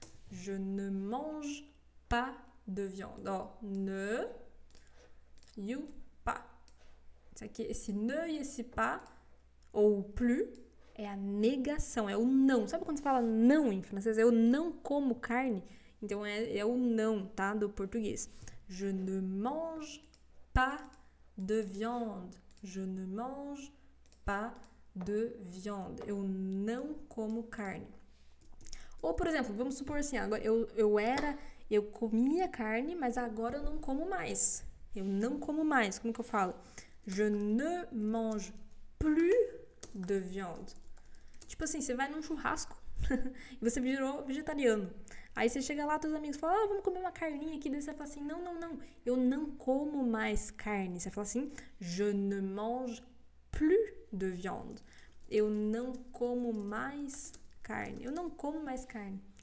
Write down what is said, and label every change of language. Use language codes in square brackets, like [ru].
[fr] Je ne mange pas de viande. [pt] Ó, ne e o pas. Isso aqui, esse ne e esse pas, ou plus, é a negação, é o não. Sabe quando você fala não em francês? Eu não como carne. Então, é o não, tá? Do português. [fr] Je ne mange pas de viande. Je ne mange pas de viande. [pt] Eu não como carne. Ou, por exemplo, vamos supor assim, agora eu comia carne, mas agora eu não como mais. Eu não como mais. Como que eu falo? [fr] Je ne mange plus de viande. [pt] Tipo assim, você vai num churrasco e você virou vegetariano. Aí você chega lá, teus amigos falam, ah, vamos comer uma carninha aqui. Daí você fala assim, não, não, não, eu não como mais carne. Você fala assim, [fr] je ne mange plus de viande. [pt] Eu não como mais carne. Eu não como mais carne.